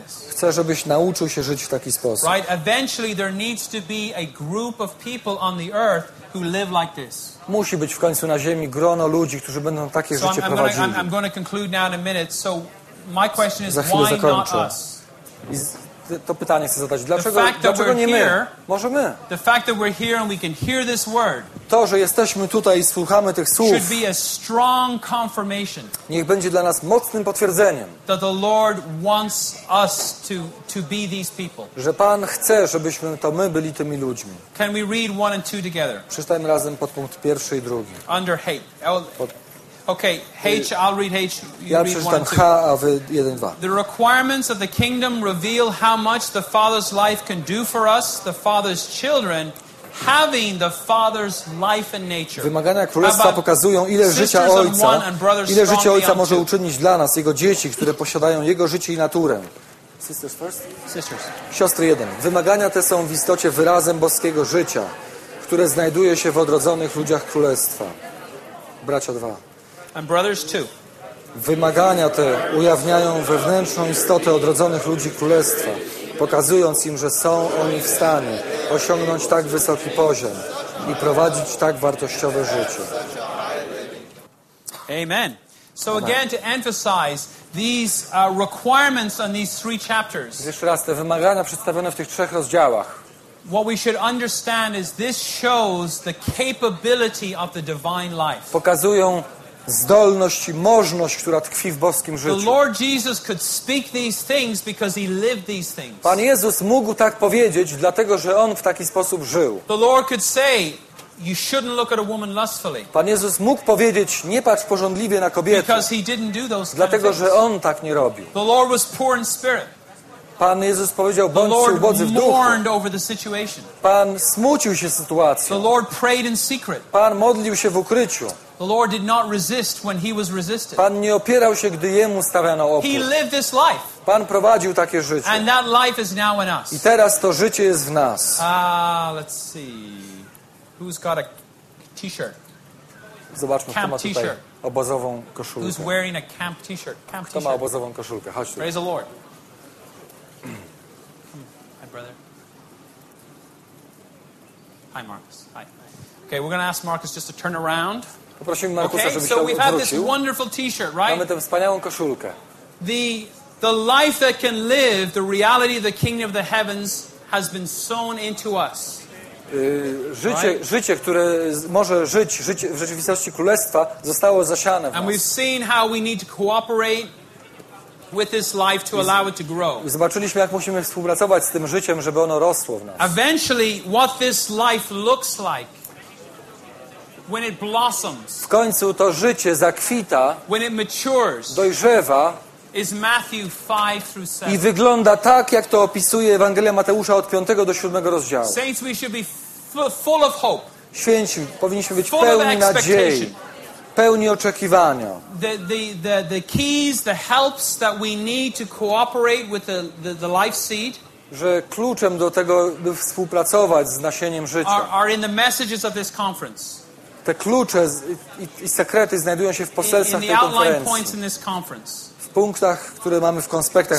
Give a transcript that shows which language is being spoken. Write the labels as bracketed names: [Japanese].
[Polish] Chcę, żebyś nauczył się żyć w taki sposób. [English] Right? Eventually there needs to be a group of people on the earth who live like this. [Polish] Musi być w końcu na ziemi grono ludzi, którzy będą takie życie prowadzili. [English] I'm going to conclude now in a minute. So my question is, why not us? [Polish] To pytanie chcę zadać. Dlaczego nie my? Może my? [English] The fact that we're here and we can hear this word. [Polish] To, że jesteśmy tutaj i słuchamy tych słów. [English] Should be a strong confirmation. [Polish] Niech będzie dla nas mocnym potwierdzeniem. [English] That the Lord wants us to be these people. [Polish] Że Pan chce, żebyśmy to my byli tymi ludźmi. [English] Can we read one and two together? [Polish] Przeczytajmy razem podpunkt pierwszy i drugi. [English] Under hate. Okay, H, I'll read H, you read 1 and 2. The requirements of the kingdom reveal how much the Father's life can do for us, the Father's children, having the Father's life and nature. [Polish] Wymagania Królestwa pokazują, ile życia Ojca może uczynić dla nas, Jego dzieci, które posiadają Jego życie i naturę. [English] Sisters first? Sisters. [Polish] Siostry jeden. Wymagania te są w istocie wyrazem boskiego życia, które znajduje się w odrodzonych ludziach Królestwa. Bracia dwa. [English] And brothers too. [Polish] Wymagania te ujawniają wewnętrzną istotę odrodzonych ludzi Królestwa, pokazując im, że są oni w stanie osiągnąć tak wysoki poziom i prowadzić tak wartościowe życie. Amen. [English] So again, to emphasize these requirements on these three chapters. [Polish] Jeszcze raz, te wymagania przedstawione w tych trzech rozdziałach. [English] What we should understand is this shows the capability of the divine life. [Polish] Pokazują zdolność i możność, która tkwi w boskim życiu. [English] The Lord Jesus could speak these things because he lived these things. [Polish] Pan Jezus mógł tak powiedzieć, dlatego że on w taki sposób żył. [English] The Lord could say, you shouldn't look at a woman lustfully. [Polish] Pan Jezus mógł powiedzieć, nie patrz pożądliwie na kobietę. [English] Because he didn't do those things. [Polish] Dlatego że on tak nie robił. [English] The Lord was poor in spirit. [Polish] Pan Jezus powiedział, bądźcie ubodzy w duchu. [English] Mourned over the situation. [Polish] Pan smucił się sytuacją. [English] The Lord prayed in secret. [Polish] Pan modlił się w ukryciu. [English] The Lord did not resist when he was resisted. [Polish] Pan nie opierał się, gdy jemu stawiano opór. [English] He lived this life. [Polish] Pan prowadził takie życie. [English] And that life is now in us. [Polish] I teraz to życie jest w nas. [English] Let's see. Who's got a t-shirt? [Polish] Zobaczmy, camp kto ma tutaj t-shirt. Obozową koszulkę. [English] Who's wearing a camp t-shirt? Camp [Polish] kto ma obozową koszulkę? Chodź tu. [English] Praise the Lord. Hi, brother. Hi, Marcus. Hi. Okay, we're going to ask Marcus just to turn around. [Polish] Poprosimy Markusa, [English] okay, so we've had this wonderful t-shirt, right? [Polish] Mamy tę wspaniałą koszulkę. [English] The life that can live, the reality of the kingdom of the heavens has been sown into us. [Polish] Życie, które może żyć, w rzeczywistości królestwa zostało zasiane w nas. [English] And we've seen how we need to cooperate with this life to allow it to grow. [Polish] Zobaczyliśmy, jak musimy współpracować z tym życiem, żeby ono rosło w nas. [English] Eventually what this life looks like when it blossoms, [Polish] w końcu to życie zakwita, [English] when it matures, [Polish] dojrzewa, [English] is Matthew 5 through 7. [Polish] I wygląda tak, jak to opisuje Ewangelia Mateusza od 5 do 7 rozdziału. [English] Saints, we should be full of hope. [Polish] Święci, powinniśmy być pełni nadziei, pełni oczekiwania. [English] The keys, the helps that we need to cooperate with the life seed, [Polish] że kluczem do tego, by współpracować z nasieniem życia, [English] are in the messages of this conference. [Polish] Te klucze i sekrety znajdują się w poselstwach tej konferencji. W punktach, które mamy w konspektach